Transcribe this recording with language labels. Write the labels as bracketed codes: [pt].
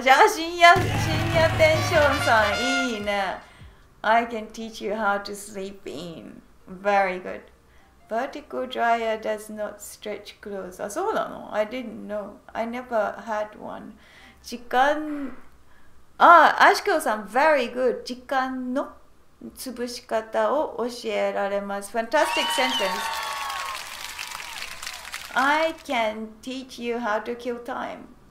[ja] じゃあ、深夜テンションさん。いいね。 [en] I can teach you how to sleep in. Very good. Vertical dryer does not stretch clothes. [ja] あ、そうなの? [en] I didn't know. I never had one. [ja] 時間… あ、アシコさん、 [en] very good. [ja] 時間の潰し方を教えられます。 [en] Fantastic sentence. I can teach you how to kill time.